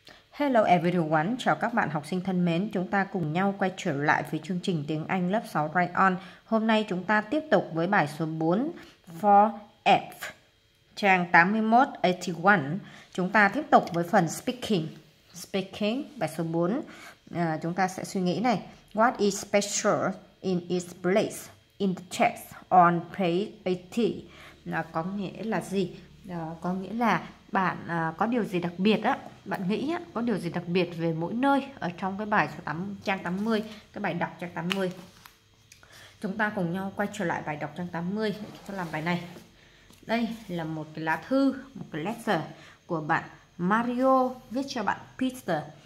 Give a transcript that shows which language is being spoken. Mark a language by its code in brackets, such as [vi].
[en] Hello everyone, [vi] chào các bạn học sinh thân mến. Chúng ta cùng nhau quay trở lại với chương trình tiếng Anh lớp 6 Rayon. Hôm nay chúng ta tiếp tục với bài số 4 For F, trang 81, 81. Chúng ta tiếp tục với phần speaking. Speaking, bài số 4. Chúng ta sẽ suy nghĩ này. [en] What is special in its place in the text on page 80? [vi] Nó có nghĩa là gì? Có nghĩa là bạn có điều gì đặc biệt á, bạn nghĩ á, có điều gì đặc biệt về mỗi nơi ở trong cái bài số 8, trang 80, cái bài đọc trang 80. Chúng ta cùng nhau quay trở lại bài đọc trang 80 để chúng ta làm bài này. Đây là một cái lá thư, một cái letter của bạn Mario viết cho bạn Peter.